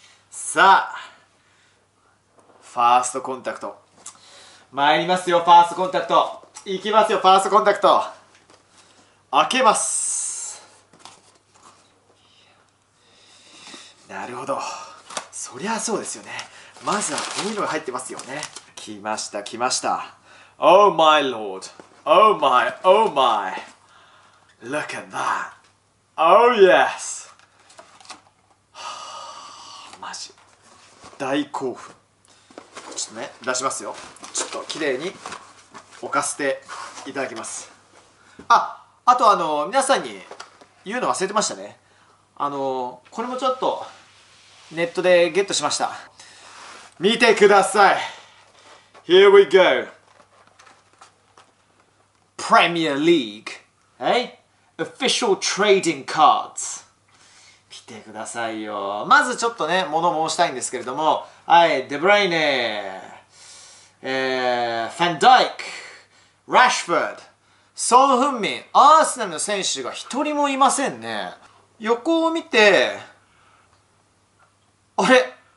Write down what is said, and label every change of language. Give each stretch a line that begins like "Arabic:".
Japanese: さあ、ファーストコンタクト参りますよ。ファーストコンタクト行きますよ。ファーストコンタクト開けます。なるほど、そりゃそうですよね。まずはこういうのが入ってますよね。来ました、来ました。
English: Oh my lord, oh my, oh my, look at that, oh yes.
Japanese: マジ大興奮。ちょっとね、出しますよ。ちょっと綺麗に置かせていただきます。あと皆さんに言うの忘れてましたね。これもちょっとネットでゲットしました。見てください。
English: Here we go. Premier League. Hey? Official trading cards.
Japanese: 見てくださいよ。まずちょっとね、物申したいんですけれども。はい、デブライネ。ファンダイク。ラッシュフォード。ソン・フンミン。アーセナルの選手が一人もいませんね。横を見て、あれ?